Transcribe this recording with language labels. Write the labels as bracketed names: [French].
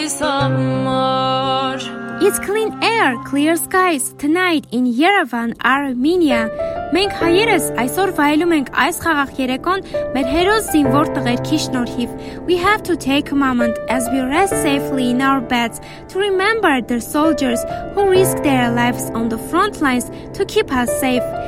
[English] It's clean air, clear skies tonight in Yerevan, Armenia. [Armenian] Մենք հայերս այսօր վայելում ենք այս խաղաղ երեկոն մեր հերոս զինվոր տղերքի շնորհիվ. [English] We have to take a moment as we rest safely in our beds to remember the soldiers who risked their lives on the front lines to keep us safe.